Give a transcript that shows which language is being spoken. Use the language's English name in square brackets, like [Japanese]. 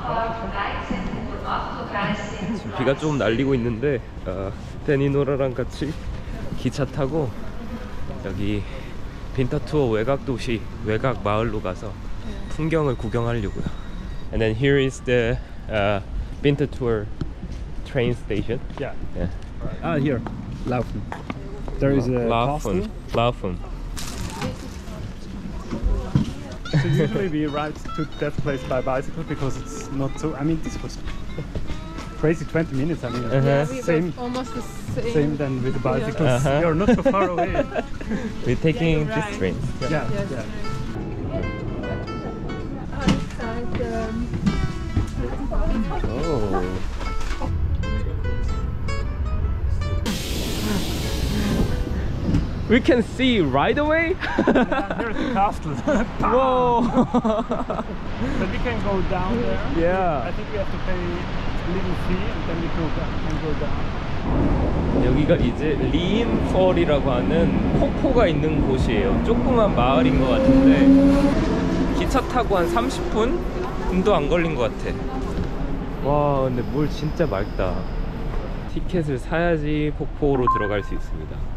[Korean] Mm-hmm. 비가 좀 날리고 있는데 데니 노라랑 같이 기차 타고. 여기 빈타투어 외곽 도시 외곽 마을로 가서 풍경을 구경하려고요. [English] And then here is the Bintatour train station. Yeah. Yeah. Right. Here, Laufen. There is a Laufen. Laufen. So usually we ride to that place by bicycle because it's not so. I mean, this was crazy 20 minutes. I mean, uh-huh. yeah, we same. Were almost the same. Same than with the bicycle. Yeah. Uh-huh. We are not so far away. We're taking yeah, this train. Yeah, yeah. yeah. yeah. Oh. We can see right away? Yeah, there's the castle. Whoa! But we can go down there. Yeah. I think we have to pay a little fee and then we can go down. [Korean] 여기가 이제 리인펄이라고 하는 폭포가 있는 곳이에요. 조그만 마을인 것 같은데 기차 타고 한 30분도 안 걸린 것 같아. 와 근데 물 진짜 맑다. 티켓을 사야지 폭포로 들어갈 수 있습니다.